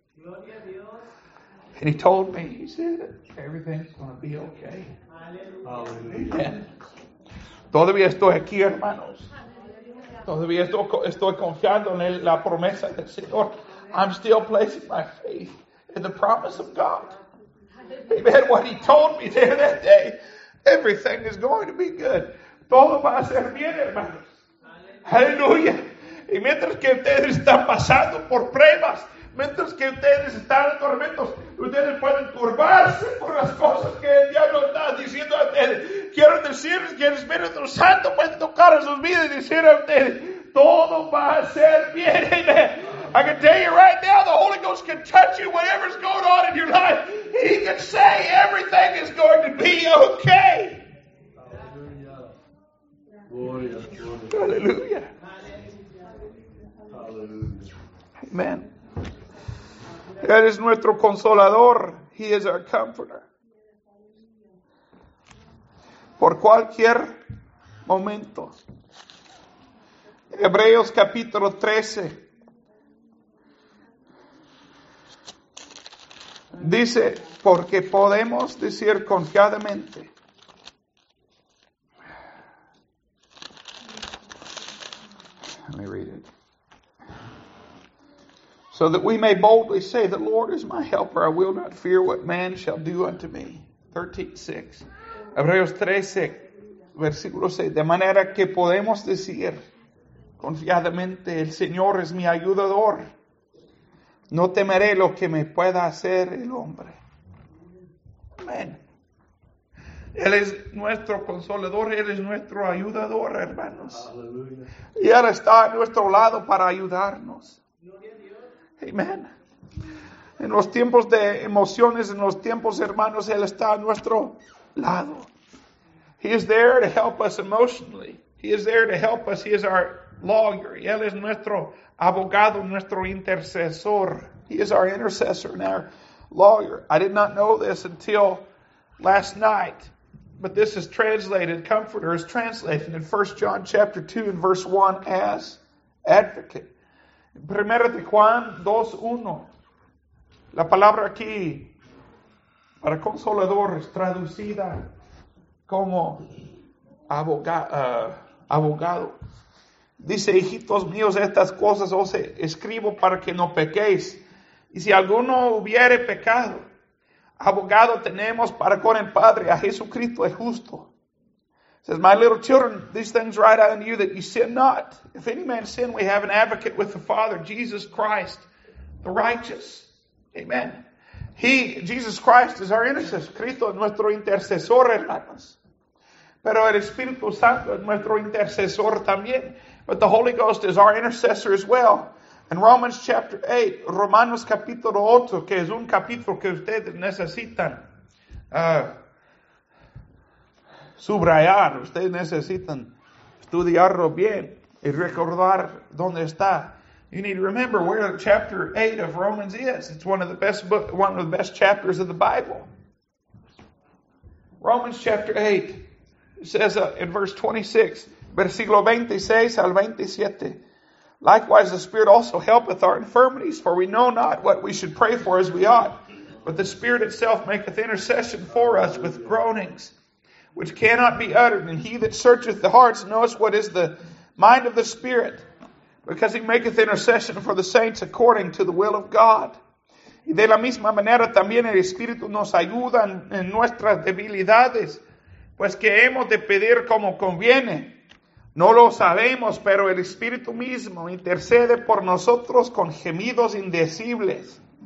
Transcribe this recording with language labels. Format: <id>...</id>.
<es>Gloria a Dios.</es> <en>And he told me, he said, everything's going to be okay. Hallelujah.</en> <es>Todavía estoy aquí, hermanos. Todavía estoy confiando en la promesa del Señor.</es> <en>I'm still placing my faith in the promise of God. Amen. What he told me there that day, everything is going to be good.</en> <es>Todo va a ser bien, hermanos.</es> <en>Hallelujah.</en> <es>Y mientras que ustedes están pasando por pruebas, mientras que ustedes están en tormentos, ustedes pueden turbarse por las cosas que el diablo está diciendo a ustedes. Quiero decirles que el Espíritu Santo puede tocar a sus vidas y decir a ustedes, todo va a ser bien.</es> <en>I can tell you right now, the Holy Ghost can touch you, whatever's going on in your life. He can say everything is going to be okay. Hallelujah. Amen. That is</en> <es>nuestro consolador.</es> <en>He is our comforter.</en> <es>Por cualquier momento. Hebreos capítulo 13. Dice, porque podemos decir confiadamente.</es> <en>Let me read it. So that we may boldly say, the Lord is my helper. I will not fear what man shall do unto me.</en> <es>13:6. Hebreos 13, versículo 6. De manera que podemos decir confiadamente, el Señor es mi ayudador. No temeré lo que me pueda hacer el hombre. Amén. Él es nuestro consolador, Él es nuestro ayudador, hermanos. Aleluya. Y Él está a nuestro lado para ayudarnos. Amén. En los tiempos de emociones, en los tiempos, hermanos, Él está a nuestro lado.</es> <en>He is there to help us emotionally. He is there to help us. He is our lawyer.</en> <es>Él es nuestro abogado, nuestro intercesor.</es> <en>He is our intercessor and our lawyer. I did not know this until last night, but this is translated, comforter is translated in 1 John chapter 2 and verse 1 as advocate.</en> <es>Primera de Juan 2:1. La palabra aquí para consolador es traducida como abogado. Dice, hijitos míos, estas cosas os escribo para que no pequéis. Y si alguno hubiere pecado, abogado tenemos para con el Padre, a Jesucristo el justo.</es> <en>It says, my little children, these things write unto you that you sin not. If any man sin, we have an advocate with the Father, Jesus Christ, the righteous. Amen. He, Jesus Christ, is our intercessor.</en> <es>Cristo es nuestro intercesor, hermanos. Pero el Espíritu Santo es nuestro intercesor también.</es> <en>But the Holy Ghost is our intercessor as well. In Romans chapter 8,</en> <es>Romanos capítulo 8, que es un capítulo que ustedes necesitan subrayar. Ustedes necesitan estudiarlo bien y recordar dónde está.</es> <en>You need to remember where chapter 8 of Romans is. It's one of the best book, one of the best chapters of the Bible. Romans chapter 8. It says in verse 26,</en> <es>versículo 26 al 27.</es> <en>Likewise, the Spirit also helpeth our infirmities, for we know not what we should pray for as we ought. But the Spirit itself maketh intercession for us with groanings, which cannot be uttered. And he that searcheth the hearts knoweth what is the mind of the Spirit, because he maketh intercession for the saints according to the will of God.</en> <es>Y de la misma manera también el Espíritu nos ayuda en nuestras debilidades, pues que hemos de pedir como conviene. No lo sabemos, pero el Espíritu mismo intercede por nosotros con gemidos indecibles.</es>